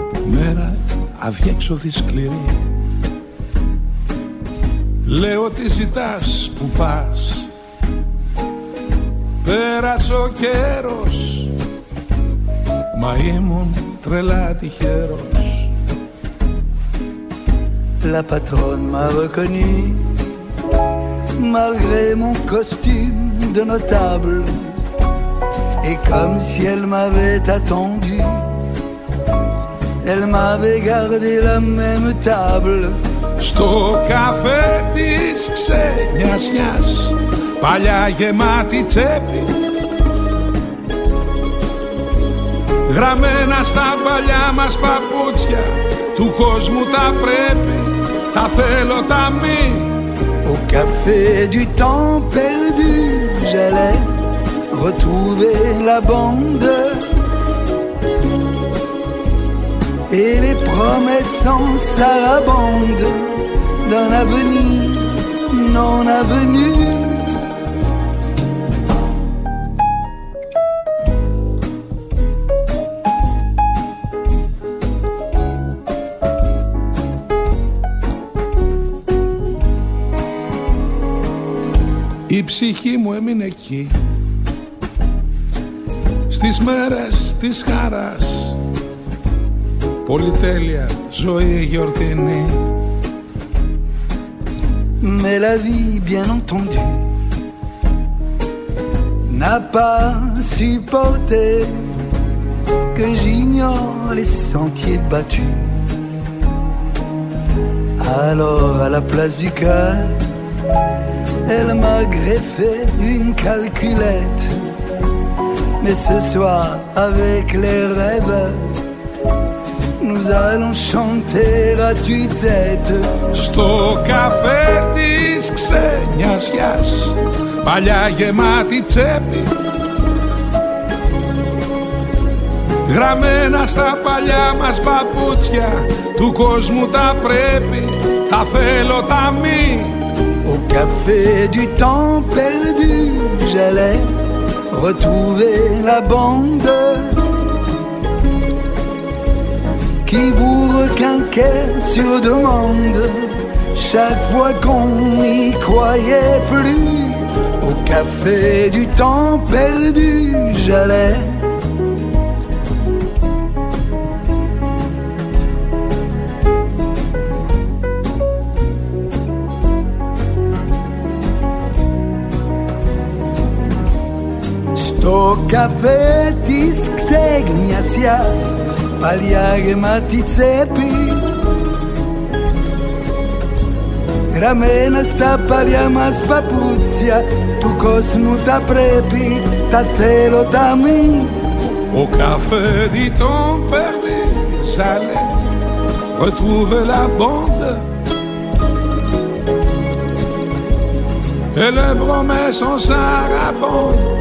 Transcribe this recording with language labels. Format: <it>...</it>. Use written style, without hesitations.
<el>Μέρα αδιέξοδη σκληρή. Λέω τι ζητάς που πας. Πέρασε ο καιρός, μα ήμουν τρελά τυχερός.</el> <fr>La patronne m'a reconnu malgré mon costume de notable, et comme si elle m'avait attendu, elle m'avait gardé la même table.</fr> <el>Στο καφέ της ξενιασιάς, παλιά γεμάτη τσέπη, γραμμένα στα παλιά μας παπούτσια, του κόσμου τα πρέπει, τα θέλω τα μη.</el> <fr>Au café du temps perdu, j'allais retrouver la bande et les promesses en sarabande d'un avenir non avenu.</fr> <el>Η ψυχή μου έμεινε εκεί, στις μέρες της χαράς, πολυτέλεια ζωή γιορτινή.</el> <fr>Mais la vie, bien entendu, n'a pas supporté que j'ignore les sentiers battus. Alors à la place du cœur, elle m'a greffé une calculette. Mais ce soir, avec les rêves, nous allons chanter à tue-tête.</fr> <el>Στο καφέ της ξενιασιάς, παλιά γεμάτη τσέπη, γραμμένα στα παλιά μας παπούτσια, του κόσμου τα πρέπει, τα θέλω τα μη.</el> <fr>Au café du temps perdu, j'allais retrouver la bande qui vous requinquait sur demande chaque fois qu'on n'y croyait plus. Au café du temps perdu, j'allais. Au café</fr> <el>της Ξεγνιασιάς, παλιά γεμάτη τσέπη, γραμμένα στα παλιά μας παπούτσια, του κόσμου τα πρέπει, τα θέλω τα μη.</el> <fr>Au café du temps perdu, j'allais retrouver la bande et les promesses en sarabande.</fr>